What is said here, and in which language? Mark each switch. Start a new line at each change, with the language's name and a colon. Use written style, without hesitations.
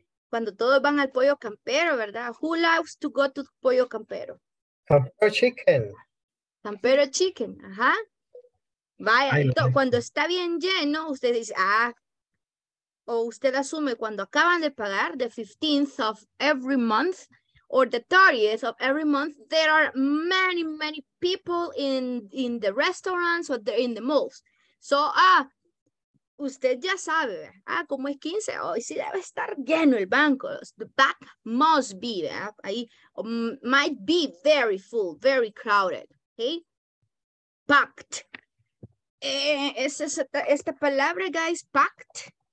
Spanish: Cuando todos van al pollo campero, ¿verdad?
English: Who loves to go to pollo campero? Campero chicken. Campero chicken,
Spanish: ajá. Vaya, entonces, cuando está bien lleno, usted dice, ah. O usted asume cuando acaban de pagar
English: the 15th of every month or the 30th of every month, there are many, many people in the restaurants or in the malls. So,
Spanish: usted ya sabe, ah, como es 15, hoy sí debe estar lleno el banco.
English: The bank must be,
Spanish: ahí,
English: might be very full, very crowded, okay? Packed.
Spanish: Esta palabra, guys, packed.